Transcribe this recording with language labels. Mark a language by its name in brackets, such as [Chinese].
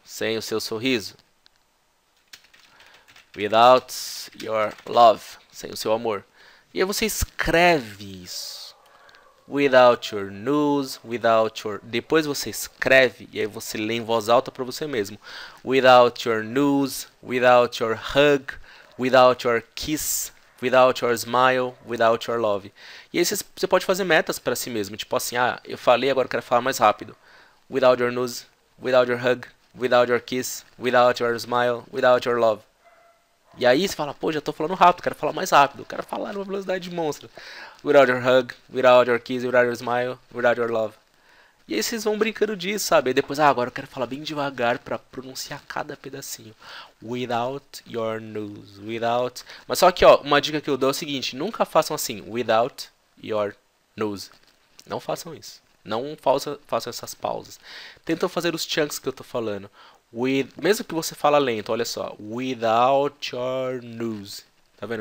[Portuguese] Sem o seu sorriso. [English] Without your love. [Portuguese] Sem o seu amor. E aí você escreve isso. [English] Without your news, without your. [Portuguese] Depois você escreve e aí você lê em voz alta para você mesmo. [English] Without your news, without your hug, without your kiss, without your smile, without your love. [Portuguese] E aí você pode fazer metas para si mesmo, tipo assim, ah, eu falei, agora eu quero falar mais rápido. [English] Without your news, without your hug, without your kiss, without your smile, without your love. [Portuguese] E aí você fala, pô, já tô falando rápido, quero falar mais rápido, quero falar numa velocidade de monstro. [English] Without your hug, without your kiss, without your smile, without your love. [Portuguese] E aí vocês vão brincando disso, sabe? E depois, ah, agora eu quero falar bem devagar pra pronunciar cada pedacinho. [English] Without your nose, without. [Portuguese] Mas só que, ó, uma dica que eu dou é o seguinte: nunca façam assim, [English] without your nose. [Portuguese] Não façam isso. Não façam essas pausas. Tentam fazer os chunks que eu tô falando. Mesmo que você fala lento, olha só. [English] Without your news. [Portuguese] Tá vendo?